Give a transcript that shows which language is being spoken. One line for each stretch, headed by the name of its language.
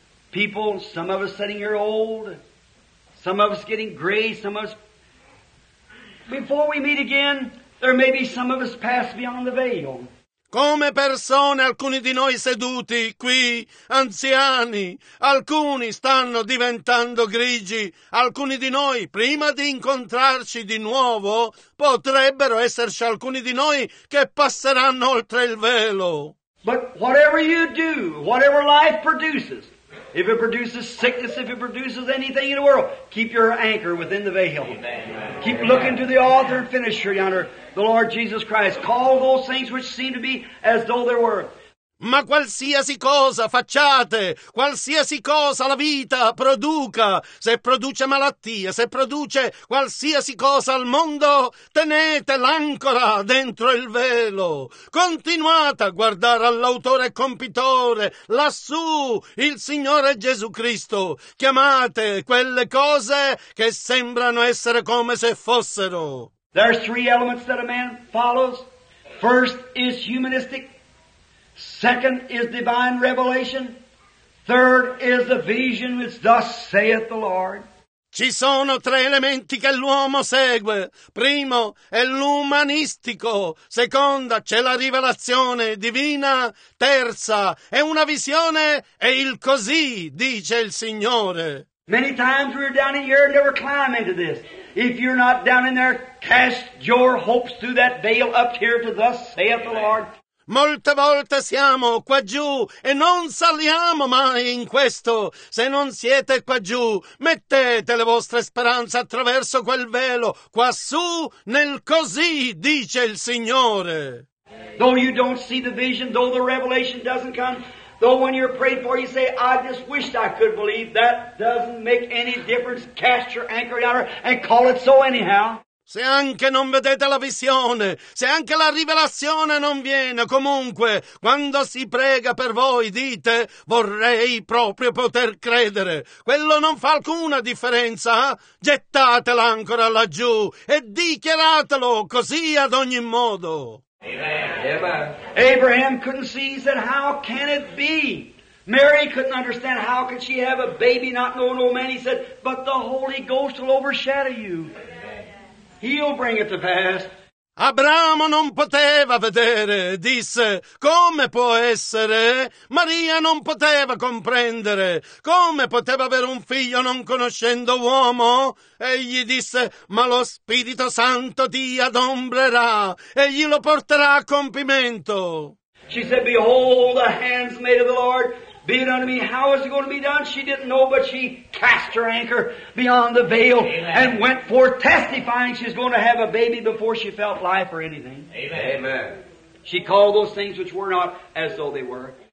English: People, some of us sitting here old, some of us getting gray, some of us... Before we meet again, there may be some of us passed beyond the veil.
Italian: Come persone, alcuni di noi seduti qui, anziani, alcuni stanno diventando grigi, alcuni di noi, prima di incontrarci di nuovo, potrebbero esserci alcuni di noi che passeranno oltre il velo.
English: But whatever you do, whatever life produces, if it produces sickness, if it produces anything in the world, keep your anchor within the veil. Amen. Keep Amen. Looking to the author and finisher yonder, the Lord Jesus Christ. Call those things which seem to be as though there were.
Italian: Ma qualsiasi cosa facciate, qualsiasi cosa la vita produca, se produce malattia, se produce qualsiasi cosa al mondo, tenete l'ancora dentro il velo. Continuate a guardare all'autore e compitore, lassù, il Signore Gesù Cristo. Chiamate quelle cose che sembrano essere come se fossero.
English: There's three elements that a man follows. First is humanistic. Second is divine revelation. Third is the vision which thus saith the Lord.
Italian: Ci sono tre elementi che l'uomo segue. Primo è l'umanistico. Seconda c'è la rivelazione divina. Terza è una visione e il così, dice il Signore.
English: Many times we're down in here and never climb into this. If you're not down in there, cast your hopes through that veil up here to thus saith the Lord.
Italian: Molte volte siamo qua giù e non saliamo mai in questo. Se non siete qua giù, mettete le vostre speranze attraverso quel velo, quassù nel così, dice il Signore.
English: Though you don't see the vision, though the revelation doesn't come, though when you're prayed for you say, I just wished I could believe, that doesn't make any difference. Cast your anchor down and call it so anyhow.
Italian: Se anche non vedete la visione, se anche la rivelazione non viene, comunque, quando si prega per voi, dite, vorrei proprio poter credere. Quello non fa alcuna differenza. Gettatela ancora laggiù e dichiaratelo così ad ogni modo.
English: Abraham couldn't see, he said, how can it be? Mary couldn't understand, how could she have a baby not know no man? He said, but the Holy Ghost will overshadow you. He'll bring it to pass.
Italian: Abramo non poteva vedere, disse, come può essere? Maria non poteva comprendere, come poteva avere un figlio non conoscendo uomo? Egli disse, ma lo Spirito Santo ti adombrerà, e gli lo porterà a compimento.
English: She said, behold, the handmaid of the Lord, be it unto me, how is it going to be done? She didn't know, but she cast her anchor beyond the veil. Amen. And went forth testifying she's going to have a baby before she felt life or anything. Amen. She called those things which were not as though they were.